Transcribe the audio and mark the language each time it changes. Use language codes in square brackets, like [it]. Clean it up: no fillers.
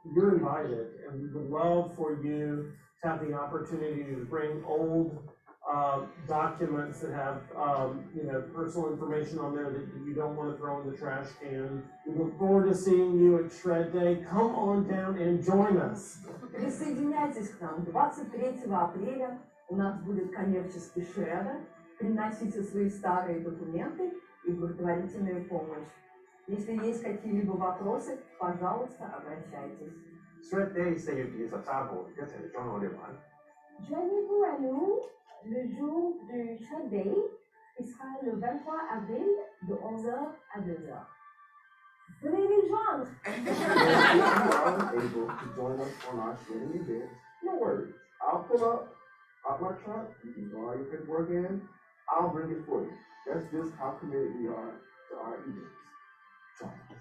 [en] You're invited, and we would love for you to have the opportunity to bring old documents that have personal information on there that you don't want to throw in the trash can. We look forward to seeing you at Shred Day. Come on down and join us. [ru] Присоединяйтесь к нам 23 апреля. У нас будет коммерческий шредер. Приносите свои старые документы и благотворительную помощь. Если есть какие-либо вопросы, пожалуйста, обращайтесь. [en] Shred Day is the 23rd. Get to join all of us. [fr] Joignez-vous à nous. Le jour du Shred Day sera le 23 avril de 11h à 2h. Venez les joindre! [en] If you are able to join us on our shredding event, no worries. I'll pull up my truck, you can go out your paperwork in, I'll bring it for you. That's just how committed we are to our events.